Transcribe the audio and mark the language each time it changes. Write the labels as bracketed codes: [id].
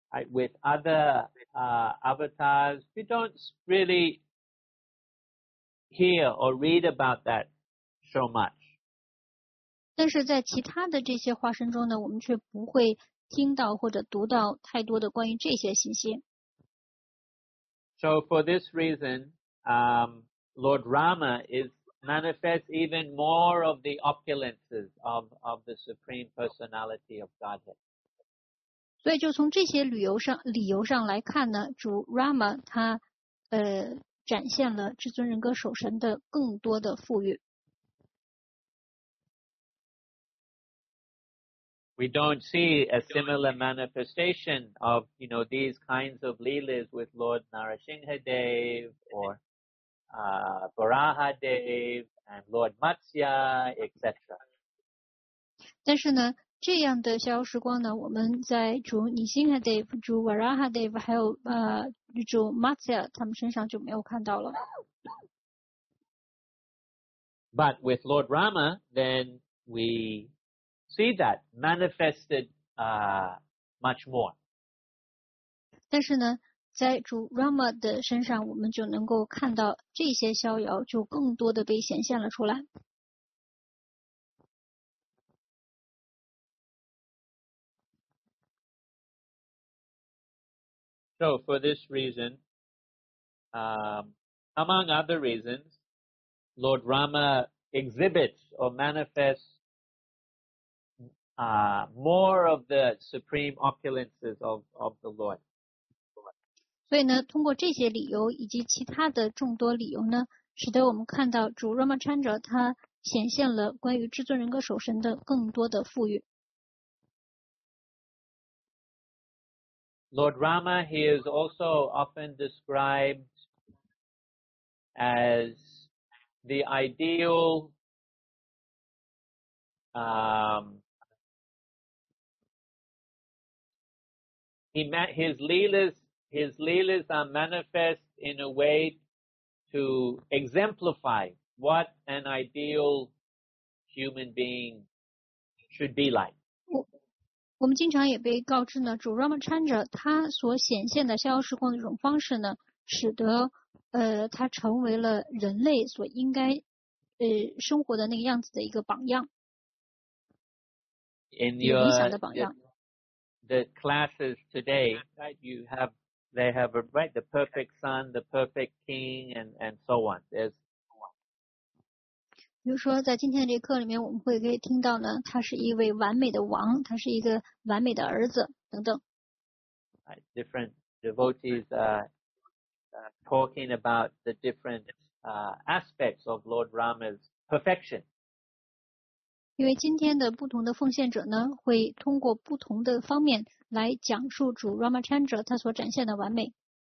[en] With other avatars, we don't really hear or read about that. So much. [zh] 但是在其他的这些化身中呢，我们却不会听到或者读到太多的关于这些信息。 [en] So for this reason, Lord Rama is manifest even more of the opulences of the Supreme Personality of Godhead. [zh] 所以就从这些理由上来看呢，主 Rama 他展现了至尊人格首神的更多的富裕。 [en] We don't see a similar manifestation of, you know, these kinds of leelas with Lord Narasimhadeva or Varahadeva and Lord Matsya, etc. [zh] 但是呢，这样的逍遥时光呢，我们在主尼辛哈德、主瓦拉哈德，还有主马茨亚他们身上就没有看到了。 [en] But with Lord Rama, then we see that manifested much more. [zh] 但是呢，在主 Rama 的身上，我们就能够看到这些逍遥就更多的被显现了出来。 [en] So for this reason, among other reasons, Lord Rama exhibits or manifests more of the supreme opulences of the Lord. [zh] 所以呢，通过这些理由以及其他的众多理由呢，使得我们看到主 Ramachandra 他显现了关于至尊人格守神的更多的富裕。 [en] Lord Rama, he is also often described as the ideal, his leelas are manifest in a way to exemplify what an ideal human being should be like. [zh] 我们经常也被告知呢，主 Ramachandra 他所显现的逍遥时光的一种方式呢，使得他成为了人类所应该生活的那个样子的一个榜样，理想的榜样。 [en] The classes today, right? You have, they have a, right, the perfect son, the perfect king, and so on. There's [zh] 比如说在今天的这课里面我们会可以听到呢，他是一位完美的王，他是一个完美的儿子等等。 [en] Different devotees are talking about the different aspects of Lord Rama's perfection. [zh] 因为今天的不同的奉献者呢，会通过不同的方面来讲述主 Ramachandra 他所展现的完美。